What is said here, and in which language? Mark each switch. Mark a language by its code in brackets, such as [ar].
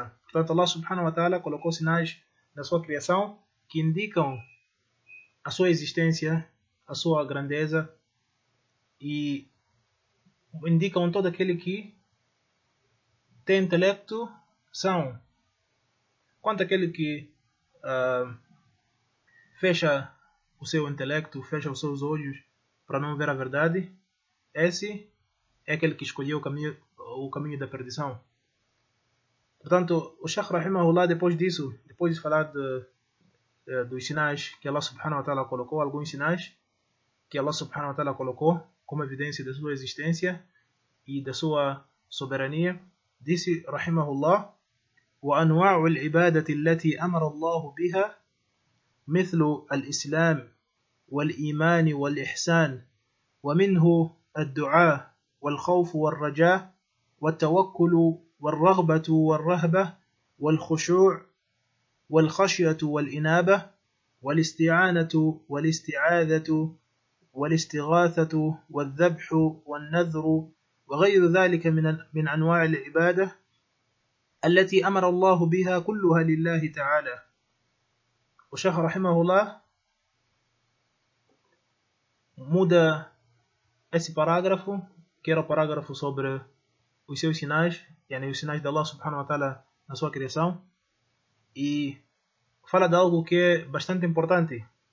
[pt] Portanto, Allah subhanahu wa ta'ala colocou sinais na sua criação que indicam a sua existência, a sua grandeza e indicam todo aquele que tem intelecto. São, quanto aquele que fecha o seu intelecto, fecha os seus olhos para não ver a verdade, esse é aquele que escolheu o caminho da perdição. Portanto, o Sheikh Rahimahullah, depois disso, depois de falar dos sinais que Allah subhanahu wa ta'ala colocou, alguns sinais que Allah subhanahu wa ta'ala colocou como evidência da sua existência e da sua soberania, disse Rahimahullah: [ar] وأنواع العبادة التي أمر الله بها مثل الإسلام والإيمان والإحسان، ومنه الدعاء والخوف والرجاء والتوكل والرغبة والرهبة والخشوع والخشية والإنابة والاستعانة والاستعاذة والاستغاثة والذبح والنذر وغير ذلك من أنواع العبادة التي أمر الله بها كلها لله تعالى. وشيخ رحمه الله [pt] muda esse parágrafo, que era o parágrafo sobre os seus sinais, yani os sinais de Allah subhanahu wa ta'ala na sua criação, e fala de algo que é bastante importante.